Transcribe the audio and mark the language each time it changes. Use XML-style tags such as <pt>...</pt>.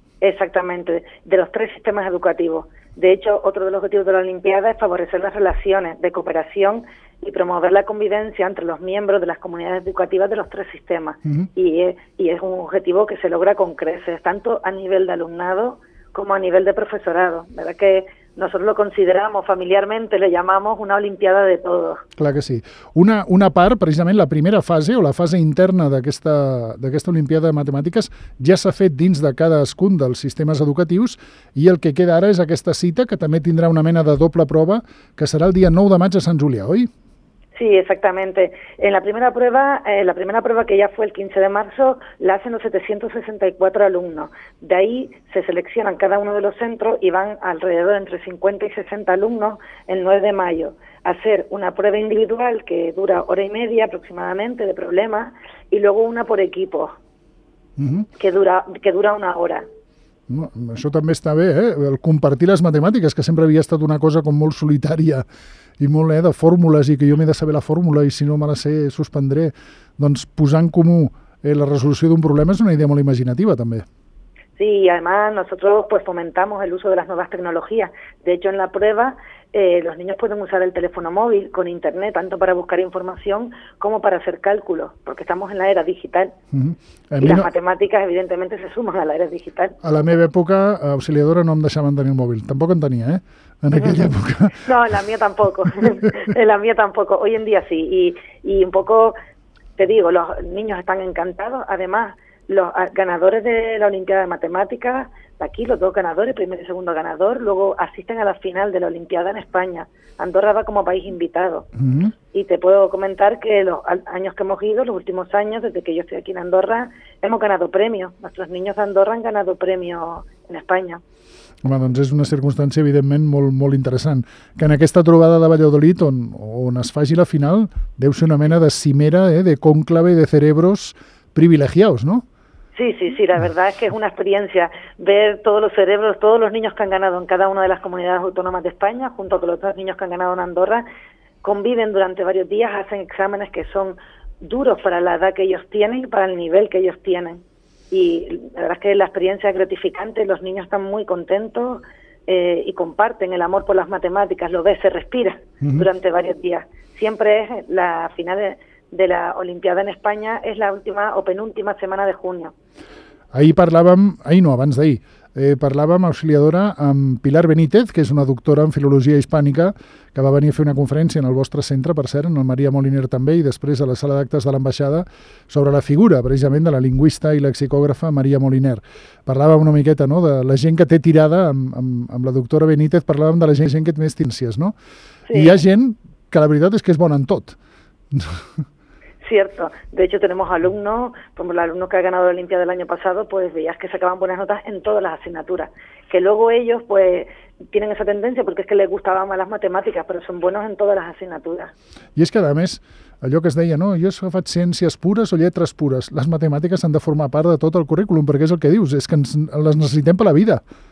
<es>Exactamente, de los tres sistemas educativos. De hecho, otro de los objetivos de la Olimpiada es favorecer las relaciones de cooperación y promover la convivencia entre los miembros de las comunidades educativas de los tres sistemas. Uh-huh. Y es un objetivo que se logra con creces, tanto a nivel de alumnado como a nivel de profesorado. ¿Verdad que nosotros lo consideramos familiarmente, le llamamos una Olimpiada de todos? Claro que sí.</es> <ca>Una part, precisament la primera fase o la fase interna d'aquesta Olimpiada de Matemàtiques ja s'ha fet dins de cadascun dels sistemes educatius i el que queda ara és aquesta cita, que també tindrà una mena de doble prova, que serà el dia 9 de maig a Sant Julià, oi?</ca> <es>Sí, exactamente. En la primera prueba que ya fue el 15 de marzo, la hacen los 764 alumnos. De ahí se seleccionan cada uno de los centros y van alrededor entre 50 y 60 alumnos el 9 de mayo a hacer una prueba individual que dura hora y media aproximadamente de problemas y luego una por equipo, uh-huh. que dura una hora.</es> <ca>No, això també està bé, el compartir les matemàtiques, que sempre havia estat una cosa com molt solitària i molt de fórmules, i que jo m'he de saber la fórmula i si no me la sé, suspendré. Doncs posar en comú la resolució d'un problema és una idea molt imaginativa, també.</ca> <es>Sí, y además nosotros pues fomentamos el uso de las nuevas tecnologías. De hecho, en la prueba los niños pueden usar el teléfono móvil con internet, tanto para buscar información como para hacer cálculos, porque estamos en la era digital. Uh-huh. Y las matemáticas evidentemente se suman a la era digital.</es> <ca>A la meva època, auxiliadora, no em deixaven tenir el mòbil. Tampoc en tenia, en aquella època.</ca> <es>No, en la mía tampoco. En la mía tampoco. Hoy en día sí. Y un poco, te digo, los niños están encantados, además... Los ganadores de la Olimpiada de Matemáticas, aquí los dos ganadores, primer y segundo ganador, luego asisten a la final de la Olimpiada en España. Andorra va como país invitado. Uh-huh. Y te puedo comentar que los años que hemos ido, los últimos años, desde que yo estoy aquí en Andorra, hemos ganado premios. Nuestros niños de Andorra han ganado premios en España.</es> <ca>Home, doncs és una circumstància, evidentment, molt, molt interessant. Que en aquesta trobada de Valladolid, on es faci la final, deu ser una mena de cimera, de conclave</ca> <es>de cerebros privilegiados,</es> <ca>¿no?</ca> <es>Sí, la verdad es que es una experiencia ver todos los cerebros, todos los niños que han ganado en cada una de las comunidades autónomas de España, junto con los otros niños que han ganado en Andorra, conviven durante varios días, hacen exámenes que son duros para la edad que ellos tienen y para el nivel que ellos tienen. Y la verdad es que la experiencia es gratificante, los niños están muy contentos y comparten el amor por las matemáticas, lo ves, se respira durante varios días. Siempre es la final de la Olimpiada en España, es la última o penúltima semana de junio.</es> <ca>Ahí parlàvem, ahí no, abans d'ahir, parlàvem, auxiliadora, amb Pilar Benítez, que és una doctora en filologia hispànica, que va venir a fer una conferència en el vostre centre, per cert, en el Maria Moliner també, i després a la sala d'actes de l'ambaixada, sobre la figura, precisament, de la lingüista i lexicògrafa Maria Moliner. Parlàvem una miqueta, no?, de la gent que té tirada amb la doctora Benítez, parlàvem de la gent que té més tinències, no? Sí. I hi ha gent que la veritat és que és bona en tot.</ca> <es>Cierto, de hecho tenemos alumnos, por ejemplo, el alumno que ha ganado la Olimpiada del año pasado, pues veías que sacaban buenas notas en todas las asignaturas, que luego ellos pues tienen esa tendencia porque es que les gustaba más las matemáticas, pero son buenos en todas las asignaturas. Y es que además,</es> <ca>allò que es deia, no, jo he fet ciències pures o lletres pures, les matemàtiques han de formar part de tot el currículum, perquè és el que dius, és que les necessitem per la vida.</ca>